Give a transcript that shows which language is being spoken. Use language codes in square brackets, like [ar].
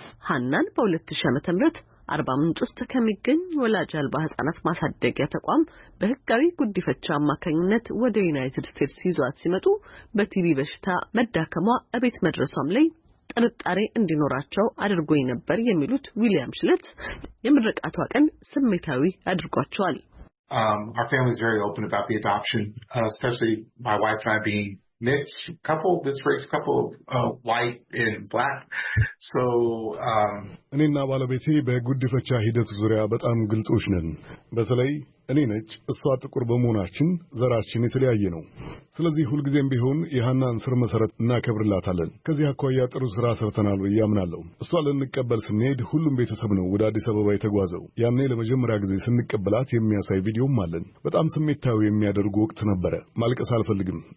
[am] ሃናን በ2000 ዓ.ም አርባ ምንጭ ውስጥ ከሚገኝ ወላጅ አልባ ህጻናት ማሳደጊያ ተቋም በህጋዊ ጉዲፈቻ አማካኝነት ወደ ዩናይትድ ስቴትስ ይዟት ሲመጡ በቲቪ በሽታ መዳከሟ እቤት መድረሷም ላይ ጥርጣሬ እንዲኖራቸው አድርጎኝ ነበር የሚሉት ዊሊያም ሽሊትዝ የምረቃቷ ቀን ስሜታዊ አድርጓቸዋል። [en] Our family is very open about the adoption, especially my wife and I being mixed couple, this race couple of white and black. So [am] እኔና ባለቤቴ በጉዲፈቻ ሂደት ዙሪያ በጣም ግልጾች ነን። በተለይ እኔ ነጭ እሷ ጥቁር በመሆናችን ዘራችን የተለያየ ነው። ስለዚህ ሁልጊዜም ቢሆን የሃናን ስር መሰረት እናከብርላታለን። ከዚህ አኳያ ጥሩ ስራ ሰርተናል ይያምናለሁ። እሷ ለነቀበል ስንሄድ ሁሉም ቤተሰብ ነው ወደ አዲስ አበባ የተጓዘው። ያኔ ለመጀመሪያ ጊዜ ስንቀበላት የሚያሳይ ቪዲዮም አለን። በጣም ስሜታዊ የሚያደርግ ወቅት ነበር። ማልቀስ አልፈልግም።